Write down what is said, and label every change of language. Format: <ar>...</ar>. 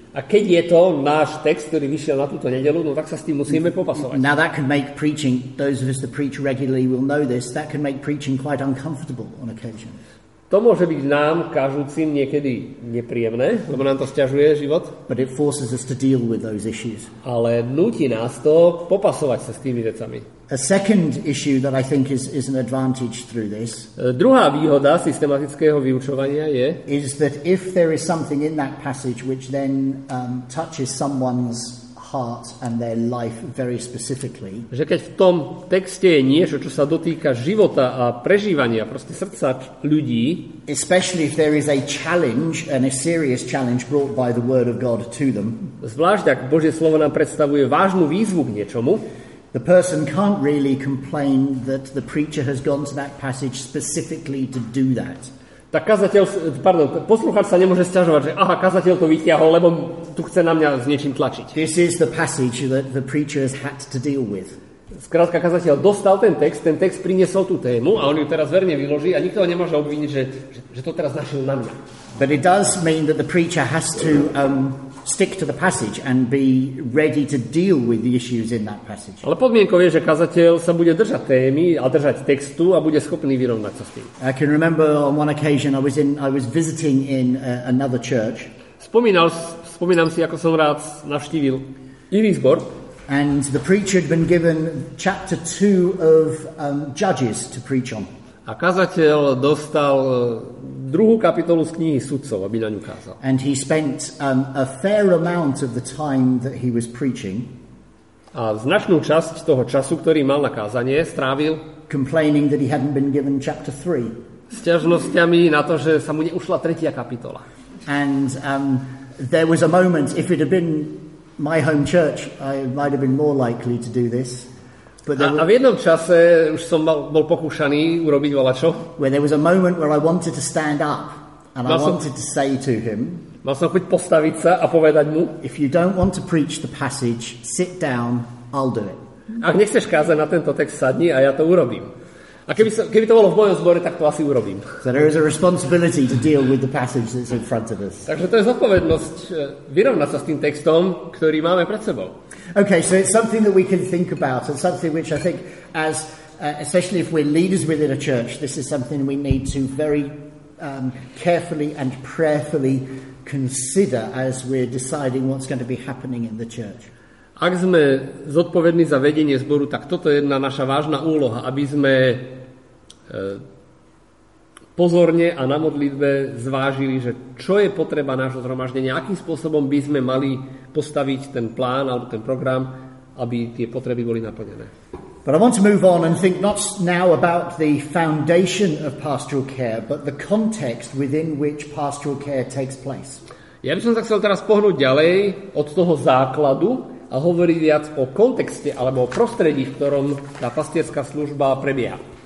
<sk>A keď je to náš text, ktorý vyšiel na túto nedeľu, no tak sa s tým musíme popasovať.</sk> <en>Now that can make preaching, those of us that preach regularly will know this, that can make preaching quite uncomfortable on occasion.</en> <sk>To môže byť nám, kážúcim, niekedy nepríjemné, lebo nám to sťažuje život.</sk> <en>But it forces us to deal with those issues.</en> <sk>Ale nutí nás to popasovať sa s tými vecami.</sk> <en>A second issue that I think is an advantage through this.</en> <sk>Druhá výhoda systematického vyučovania je,</sk> <en>is that if there is something in that passage which then touches someone's heart and their life very specifically.</en> <sk>Že keď v tom texte je niečo, čo sa dotýka života a prežívania, proste srdca ľudí,</sk> <en>especially if there is a challenge and a serious challenge brought by the word of God to them.</en> <sk>Zvlášť ak Božie slovo nám predstavuje vážnu výzvu k niečomu.</sk> <en>The person can't really complain that the preacher has gone to that passage specifically to do that.</en> <sk>Tak kazateľ, pardon, poslucháč sa nemôže sťažovať, že aha, kazateľ to vytiahol, lebo tu chce na mňa s niečím tlačiť.</sk> <en>This is the passage that the preacher has had to deal with.</en> <sk>Skrátka, kazateľ dostal ten text priniesol tú tému a on ju teraz verne vyloží a nikto ho nemôže obviniť, že to teraz našiel na mňa.</sk> <en>But it does mean that the preacher has to stick to the passage and be ready to deal with the issues in that passage.</en> <sk>Ale podmienkou je, že kazateľ sa bude držať témy a držať textu a bude schopný vyrovnať sa s tým.</sk> <en>I can remember on one occasion I was visiting in another church.</en> <sk>Spomínam si, ako som raz navštívil iný zbor.</sk> <en>And the preacher had been given chapter 2 of Judges to preach on.</en> <sk>A kazateľ dostal druhú kapitolu z knihy Sudcov, aby na ňu kázal.</sk> <en>And he spent a fair amount of the time that he was preaching.</en> <sk>A značnú časť toho času, ktorý mal na kázanie, strávil</sk> <en>complaining that he hadn't been given chapter 3.</en> <sk>Sťažnosťami na to, že sa mu neušla tretia kapitola.</sk> <en>And there was a moment, if it had been my home church, I might have been more likely to do this.</en> <sk>A v jednom čase už som bol pokúšaný urobiť voľačo.</sk> <en>Where there was a moment where I wanted to stand up and I wanted to say to him.</en> <sk>Mal som chuť postaviť sa a povedať mu,</sk> <en>if you don't want to preach the passage, sit down, I'll do it.</en> <sk>Ak nechceš kázať na tento text, sadni a ja to urobím. A keby to bolo v mojom zbore, tak to asi urobím.</sk> <en>So there is a responsibility to deal with the passage that's in front of us.</en> <sk>Takže to je zodpovednosť vyrovnať sa s tým textom, ktorý máme pred sebou.</sk> <en>Okay, so it's something that we can think about and something which I think as especially if we're leaders within a church, this is something we need to very carefully and prayerfully consider as we're deciding what's going to be happening in the church.</en> <sk>Ak sme zodpovední za vedenie zboru, tak toto je jedna naša vážna úloha, aby sme pozorne a na modlitbe zvážili, že čo je potreba nášho zhromaždenia, akým spôsobom by sme mali postaviť ten plán alebo ten program, aby tie potreby boli naplnené.</sk> <en>But I want to move on and think not now about the foundation of pastoral care, but the context within which pastoral care takes place.</en> <sk>Ja by som sa chcel teraz pohnúť ďalej od toho základu a hovoriť viac o kontexte alebo o prostredí, v ktorom tá pastierská služba prebieha.</sk>